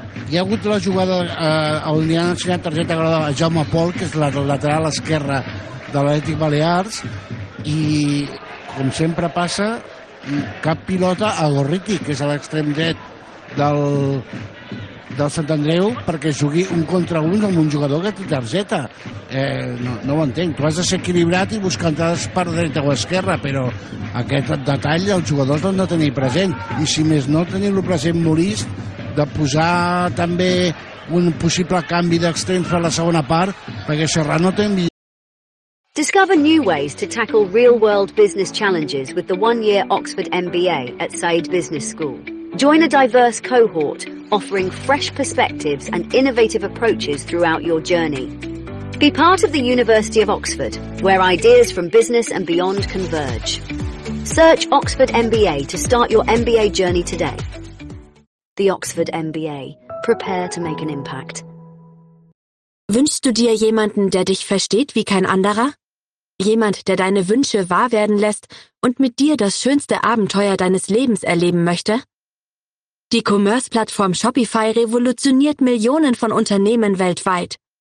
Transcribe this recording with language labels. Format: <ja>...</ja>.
<ca>Hi ha hagut la jugada on li han ensenyat targeta groga a Jaume Pol, que és la lateral esquerra de l'Atlètic Balears, i com sempre passa, cap pilota a Gorriti, que és a l'extrem dret del Sant Andreu, perquè jugui un contra un amb un jugador que té targeta. No ho entenc. Tu has de ser equilibrat i buscar entrades per dreta o esquerra, però aquest detall els jugadors l'han de tenir present. I si més no, tenir-lo present Molist, de posar també un possible canvi d'extrems per la segona part, perquè Serrano té...</ca> <en>Discover new ways to tackle real-world business challenges with the one-year Oxford MBA at Said Business School. Join a diverse cohort, offering fresh perspectives and innovative approaches throughout your journey. Be part of the University of Oxford, where ideas from business and beyond converge. Search Oxford MBA to start your MBA journey today. The Oxford MBA. Prepare to make an impact.</en> <de>Wünschst du dir jemanden, der dich versteht wie kein anderer? Jemand, der deine Wünsche wahr werden lässt und mit dir das schönste Abenteuer deines Lebens erleben möchte? Die Commerce-Plattform Shopify revolutioniert Millionen von Unternehmen weltweit.</de>